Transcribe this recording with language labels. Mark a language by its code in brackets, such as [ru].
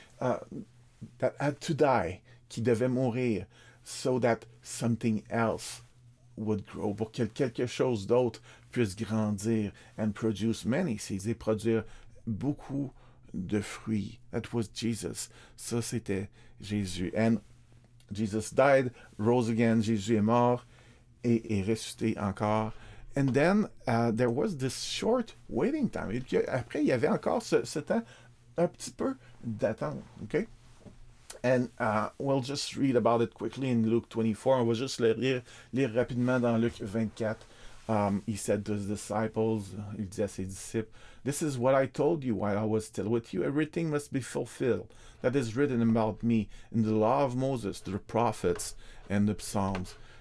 [en] That had to die, [fr] qui devait mourir, [en] so that something else would grow, [fr] pour que quelque chose d'autre puisse grandir [en] and produce many seeds, [fr] et produire beaucoup de fruits. [en] That was Jesus. [fr] Ça, c'était Jésus. [en] And Jesus died, rose again. [fr] Jésus est mort et est ressuscité encore. [en] And then there was this short waiting time. [fr] Et puis après, il y avait encore ce temps, un petit peu d'attente. [en] Okay? And we'll just read about it quickly in Luke 24. [fr] On va juste lire rapidement dans Luke 24. [en] He said to his disciples, [fr] il dit à ses disciples, [en] "This is what I told you while I was still with you. Everything must be fulfilled that is written about me in the law of Moses, the prophets, and the psalms."